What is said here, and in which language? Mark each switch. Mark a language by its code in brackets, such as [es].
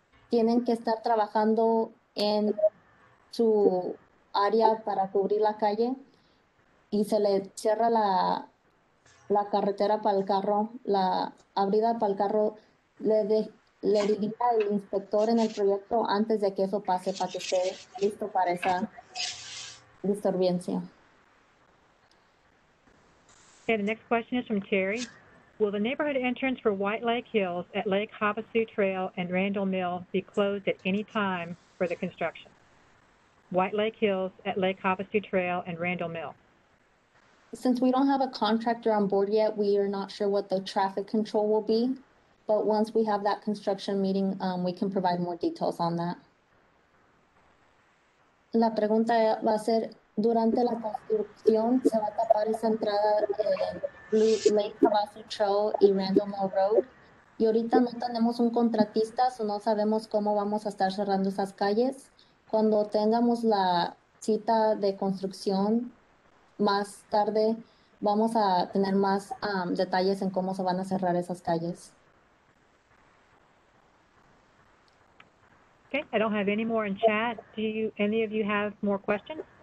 [es] tienen que estar trabajando en su área para cubrir la calle y se le cierra la carretera para el carro, la abrida para el carro, le diría al inspector en el proyecto antes de que eso pase para que esté listo para esa disturbancia. [en] Okay, the next question is from Terry. Will the neighborhood entrance for White Lake Hills at Lake Havasu Trail and Randall Mill be closed at any time for the construction? White Lake Hills at Lake Havasu Trail and Randall Mill. Since we don't have a contractor on board yet, we are not sure what the traffic control will be. But once we have that construction meeting, we can provide more details on that. [es] La pregunta va a ser, durante la construcción, ¿se va a tapar esa entrada de Lake Havasu Trail y Randall Mill Road? Y ahorita no tenemos un contratista, so no sabemos cómo vamos a estar cerrando esas calles. Cuando tengamos la cita de construcción más tarde, vamos a tener más detalles en cómo se van a cerrar esas calles. Okay, I don't have any more in chat. Do you, any of you have more questions?